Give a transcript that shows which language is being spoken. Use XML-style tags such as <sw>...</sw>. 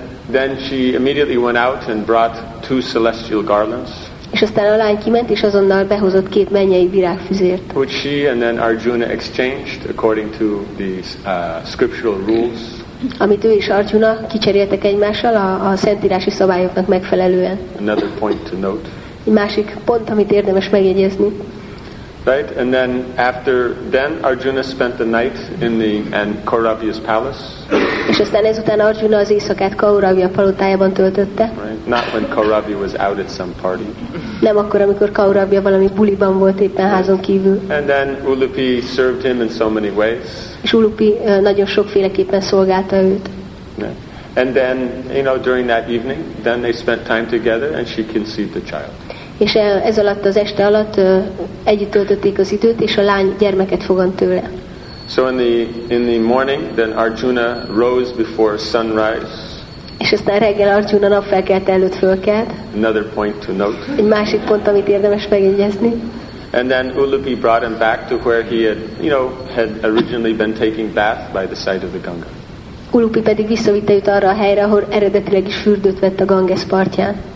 <en>Then she immediately went out and brought two celestial garlands.</en> <hu>És aztán a lány kiment, és azonnal behozott két mennyei virágfüzért.</hu> <en>Which she and then Arjuna exchanged according to the scriptural rules.</en> <hu>Amit ő és Arjuna kicseréltek egymással a szentírási szabályoknak megfelelően.</hu> <en>Another point to note.</en> <hu>Egy másik pont, amit érdemes megjegyezni.</hu> <en>Right, and then after Arjuna spent the night in the Kauravya's palace.</en> <hu>És aztán ezután Arjuna az éjszakát Kauravya palotájában töltötte.</hu> <en>Right, not when Kauravya was out at some party.</en> <hu>Nem akkor, amikor Kauravya valami buliban volt éppen házon kívül.</hu> <en>And then Ulupi served him in so many ways.</en> <hu>És Ulupi nagyon sokféleképpen szolgálta őt.</hu> <en>And then, you know, during that evening, then they spent time together and she conceived the child.</en> <hu>És ez alatt az este alatt együtt töltötték az időt, és a lány gyermeket fogant tőle.</hu> <en>So in the morning, then Arjuna rose before sunrise.</en> <hu>És aztán reggel Arjuna napfelkelte előtt fölkelt.</hu> <en>Another point to note.</en> <hu>Egy másik pont, amit érdemes megjegyezni.</hu> <en>And then Ulupi brought him back to where he had, you know, had originally been taking bath by the side of the Ganga.</en> <hu>Ulupi pedig visszavitte őt arra a helyre, ahol eredetileg is fürdőt vett a Ganges partján.</hu>